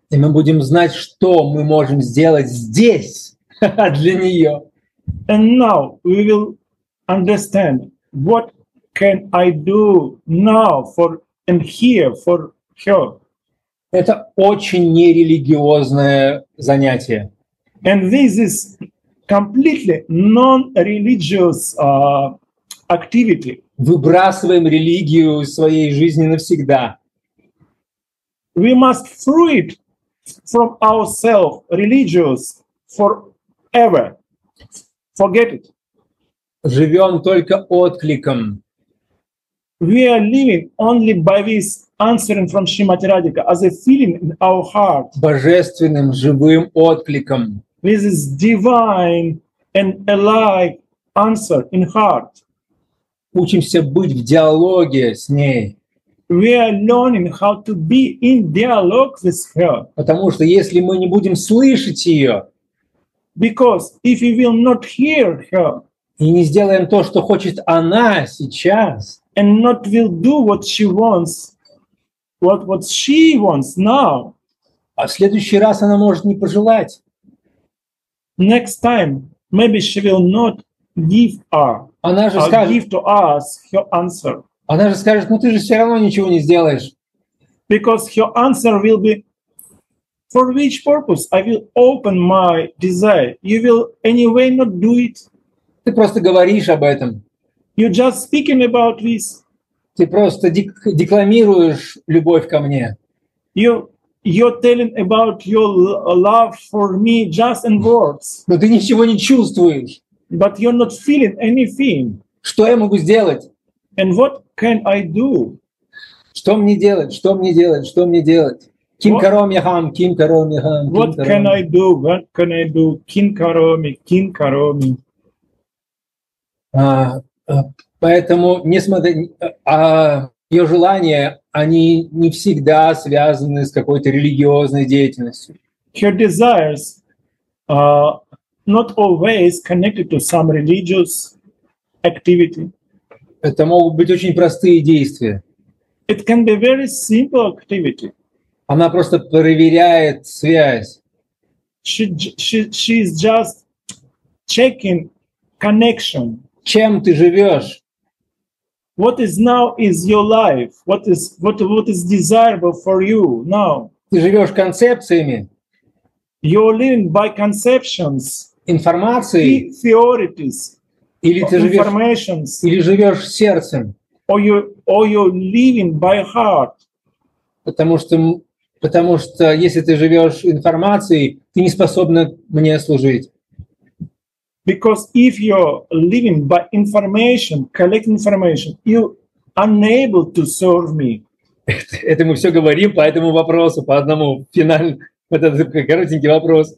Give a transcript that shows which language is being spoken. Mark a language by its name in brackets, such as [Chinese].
[Russian] И мы будем знать, что мы можем сделать здесь для нее. [English] And now we will understand what can I do now for and here for her. [Russian] Это очень нерелигиозное занятие. [English] And this is completely non-religious activity. [Russian] Выбрасываем религию из своей жизни навсегда. [English] We must throw it from ourselves, religious, forever. Forget it. [Russian] Живем только откликом. [English] We are living only by this answering from Shrimati Radhika as a feeling in our heart. [Russian] Божественным живым откликом. [English] This is divine and alive answer in heart. [Russian] Учимся быть в диалоге с ней. [English] We are learning how to be in dialogue with her. [Russian] Потому что если мы не будем слышать ее, [English] because if we will not hear her, [Russian] и не сделаем то, что хочет она сейчас, [English] and not will do what she wants, what she wants now. [Russian] А в следующий раз она может не пожелать. [English] Next time, maybe she will not give her. [Russian] Она же скажет, [English] give to us her answer. [Russian] Она же скажет, ну ты же все равно ничего не сделаешь. [English] Because her answer will be, for which purpose I will open my desire. You will anyway not do it. [Russian] Ты просто говоришь об этом. [English] You're just speaking about this. [Russian] Ты просто декламируешь любовь ко мне. [English] You're telling about your love for me just in words. [Russian] Но ты ничего не чувствуешь. [English] But you're not feeling anything. [Russian] Что я могу сделать? [English] And what can I do? [Russian] Что мне делать? Что мне делать? Что мне делать? [Sanskrit] Ким кароми хам, ким кароми хам. [English] What can I do? What can I do? [Sanskrit] Ким кароми, ким кароми. [Russian] Поэтому, несмотря на ее желания, они не всегда связаны с какой-то религиозной деятельностью. [English] Her desires are not always connected to some religious activity. [Russian] Это могут быть очень простые действия. [English] It can be very simple activity. [Russian] Она просто проверяет связь. [English] She is just checking connection. [Russian] Чем ты живешь? [English] What is now is your life? What is desirable for you now? [Russian] Ты живешь концепциями? [English] You're living by conceptions. [Russian] Информацией? [English] Theories. [Russian] Или ты живешь? Или живешь сердцем? [English] Or you living by heart? [Russian] Потому что если ты живешь информацией, ты не способна мне служить. [English] Because if you're living by information, collecting information, you unable to serve me. [Russian] Это мы все говорим по этому вопросу, по одному финальному, вот этот коротенький вопрос.